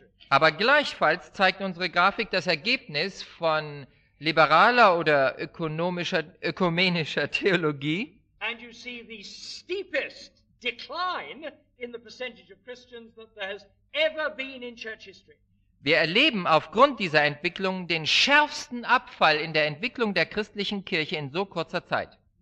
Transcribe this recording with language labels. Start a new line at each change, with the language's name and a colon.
German: Aber gleichfalls zeigt unsere Grafik das Ergebnis von liberaler oder ökumenischer Theologie.
English: And you see the steepest decline in the percentage of Christians that there has ever been in church history.
German: Wir erleben aufgrund dieser Entwicklung den schärfsten Abfall in der Entwicklung der christlichen Kirche in so kurzer Zeit.